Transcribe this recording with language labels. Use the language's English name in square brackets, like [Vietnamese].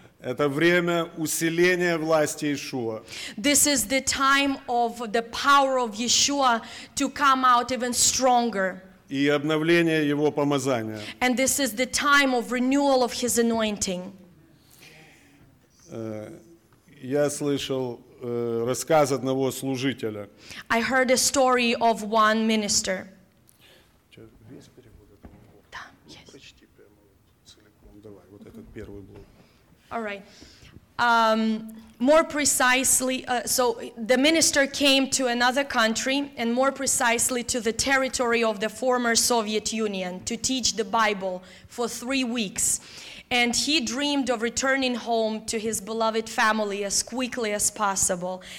[Russian] Это время усиления власти Иешуа. [English] This is the time of the power of Yeshua to come out even stronger. [Russian] И обновление его помазания. [English] And this is the time of renewal of his anointing. [Russian] Я слышал рассказ одного служителя. [English] I heard a story of one minister. [Russian] Весь перевод этого блока. Да, [English] yes. [Russian] Почти прямо целиком. Давай, вот этот первый блок. [English] All right. More precisely, so the minister came to another country, and more precisely to the territory of the former Soviet Union, to teach the Bible for 3 weeks. And he dreamed of returning home to his beloved family as quickly as possible.